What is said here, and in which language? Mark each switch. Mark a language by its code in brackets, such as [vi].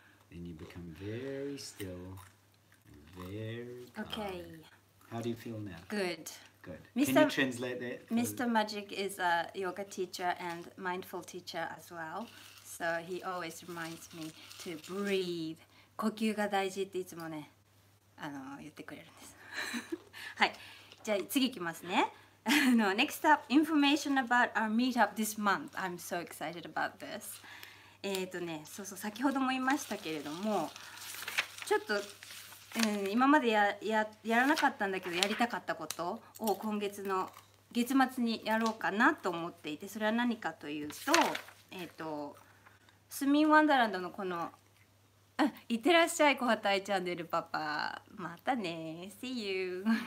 [en] Then you become very still. Okay. How do you feel now? Good. Good. Can you translate that? Mr. Magic is a yoga teacher and mindful teacher as well. So he always reminds me to breathe. [ja] 呼吸が大事っていつもね、言ってくれるんです。はい。じゃあ次行きますね。 [en] Next up, information about our meetup this month. I'm so excited about this. [ja] そうそう、先ほども言いましたけれども、ちょっと今まで やらなかったんだけどやりたかったことを今月の月末にやろうかなと思っていて、それは何かというと、スミンワンダランドのこの、あ、いってらっしゃい小畑愛チャンネルパパ、またね、 [en] See you。